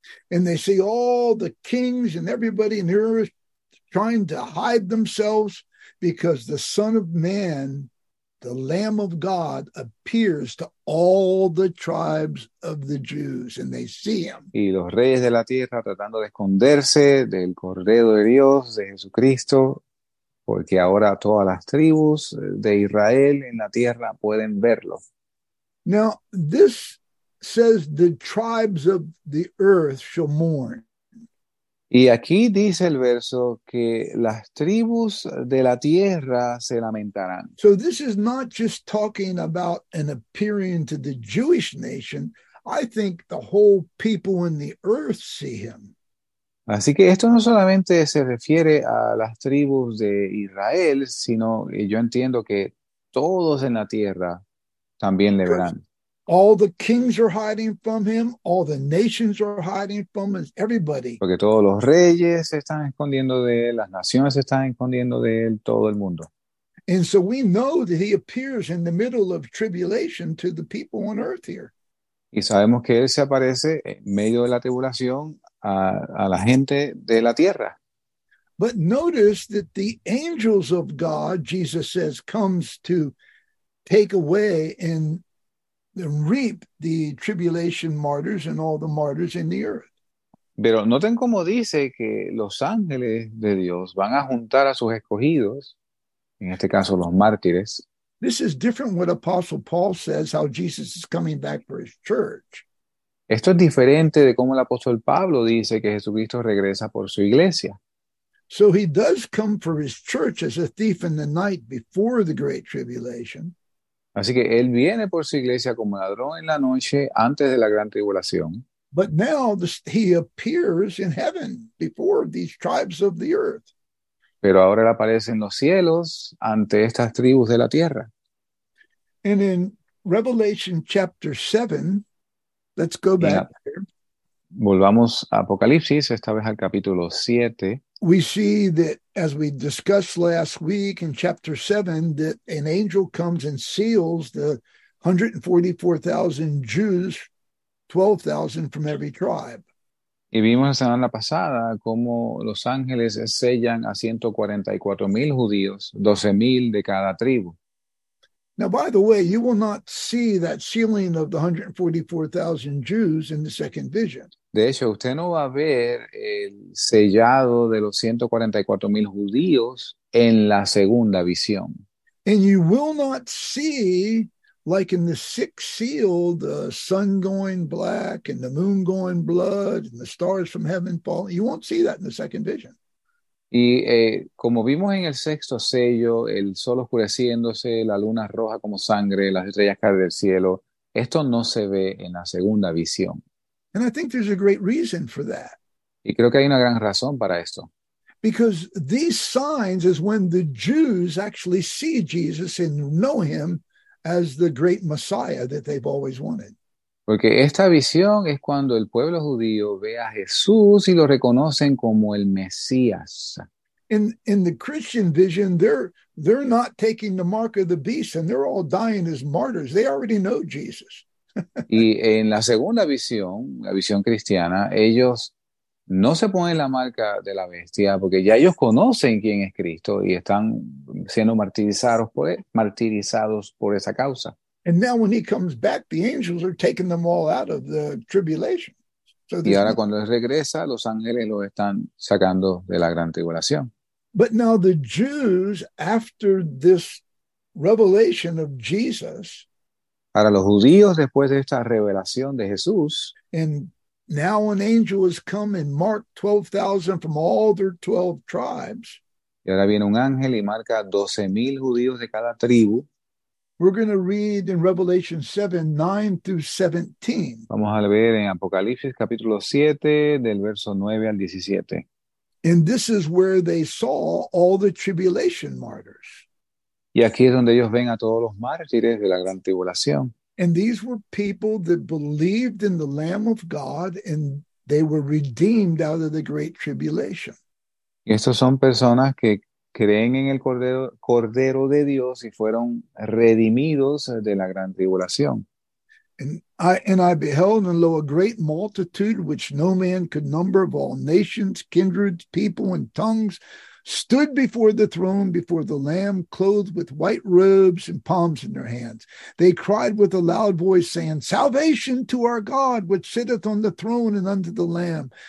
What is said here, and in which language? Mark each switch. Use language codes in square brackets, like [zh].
[en] And they see all the kings and everybody in the earth trying to hide themselves because the Son of Man, the Lamb of God, appears to all the tribes of the Jews, and they see him. [es] Y los reyes de la tierra tratando de esconderse del Cordero de Dios, de Jesucristo, porque ahora todas las tribus de Israel en la tierra pueden verlo. [en] Now, this says the tribes of the earth shall mourn. [es] Y aquí dice el verso que las tribus de la tierra se lamentarán. [en] So this is not just talking about an appearing to the Jewish nation. I think the whole people in the earth see him. [es] Así que esto no solamente se refiere a las tribus de Israel, sino yo entiendo que todos en la tierra también le verán. [en] All the kings are hiding from him, all the nations are hiding from him, everybody. [es] Porque todos los reyes se están escondiendo de él, las naciones se están escondiendo de él, todo el mundo. [en] And so we know that he appears in the middle of tribulation to the people on earth here. [es] Y sabemos que él se aparece en medio de la tribulación a la gente de la tierra. [en] But notice that the angels of God, Jesus says, comes to take away and reap the tribulation martyrs and all the martyrs in the earth. [es] Pero noten cómo dice que los ángeles de Dios van a juntar a sus escogidos, en este caso los mártires. [en] This is different what Apostle Paul says, how Jesus is coming back for his church. [es] Esto es diferente de cómo el apóstol Pablo dice que Jesucristo regresa por su iglesia. [en] So he does come for his church as a thief in the night before the great tribulation. [es] Así que él viene por su iglesia como ladrón en la noche antes de la gran tribulación. [en] But now he appears in heaven before these tribes of the earth. [es] Pero ahora él aparece en los cielos ante estas tribus de la tierra. [en] And in Revelation chapter 7, let's go back there. [es] Volvamos a Apocalipsis, esta vez al capítulo 7. [en] We see that, as we discussed last week in chapter 7, that an angel comes and seals the 144,000 Jews, 12,000 from every tribe. [es] Y vimos la semana pasada cómo los ángeles sellan a 144,000 judíos, 12,000 de cada tribu. [en] Now, by the way, you will not see that sealing of the 144,000 Jews in the second vision. [es] De hecho, usted no va a ver el sellado de los 144,000 judíos en la segunda visión. [en] And you will not see, like in the sixth seal, the sun going black and the moon going blood and the stars from heaven falling. You won't see that in the second vision. [es] Y como vimos en el sexto sello, el sol oscureciéndose, la luna roja como sangre, las estrellas caen del cielo, esto no se ve en la segunda visión. [en] And I think there's a great reason for that. [es] Y creo que hay una gran razón para esto. [en] Because these signs is when the Jews actually see Jesus and know him as the great Messiah that they've always wanted. [es] Porque esta visión es cuando el pueblo judío ve a Jesús y lo reconocen como el Mesías. [en] In the Christian vision, they're not taking the mark of the beast and they're all dying as martyrs. They already know Jesus. [es] Y en la segunda visión, la visión cristiana, ellos no se ponen la marca de la bestia porque ya ellos conocen quién es Cristo y están siendo martirizados por esa causa. [en] And now when he comes back, the angels are taking them all out of the tribulation. So [es] y ahora cuando él regresa, los ángeles los están sacando de la gran tribulación. [en] But now the Jews, after this revelation of Jesus, [es] para los judíos después de esta revelación de Jesús, [en] and now an angel has come and marked 12,000 from all their 12 tribes. [es] Y ahora viene un ángel y marca 12,000 judíos de cada tribu. [en] We're going to read in Revelation 7, 9 through 17. [es] Vamos a leer en Apocalipsis capítulo 7, del verso 9 al 17. [en] And this is where they saw all the tribulation martyrs. [es] Y aquí es donde ellos ven a todos los mártires de la gran tribulación. [en] And these were people that believed in the Lamb of God and they were redeemed out of the great tribulation. [es] Y estos son personas que creen en el Cordero de Dios y fueron redimidos de la gran tribulación. [en] And I beheld and lo a great multitude which no man could number of all nations, kindreds, people and tongues stood before the throne, before the Lamb, clothed with white robes and palms in their hands. They cried with a loud voice, saying, Salvation to our God, which sitteth on the throne and unto the Lamb.